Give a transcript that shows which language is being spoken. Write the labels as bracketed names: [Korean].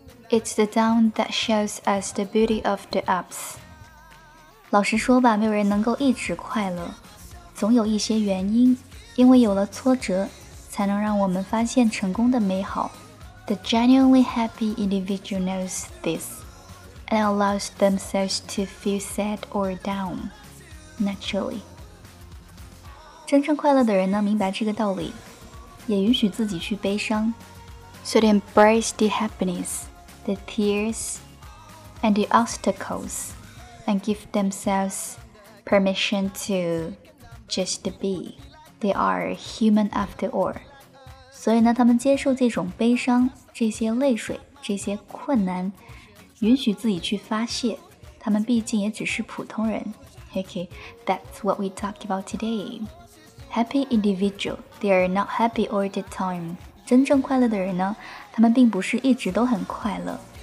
[English] It's the down that shows us the beauty of the ups。 [Chinese] 老实说吧，没有人能够一直快乐，总有一些原因，因为有了挫折，才能让我们发现成功的美好。 [English] The genuinely happy individual knows this, and allows themselves to feel sad or down, naturally. [Chinese] 真正快乐的人呢，明白这个道理，也允许自己去悲伤。 [English] So they embrace the happiness, the tears, and the obstacles, and give themselves permission to just be. They are human after all. [Chinese] 所以呢，他们接受这种悲伤，这些泪水，这些困难，允许自己去发泄。他们毕竟也只是普通人。 [English] Okay, that's what we talk about today. Happy individual, they are not happy all the time. [Chinese] 真正快乐的人呢，他们并不是一直都很快乐。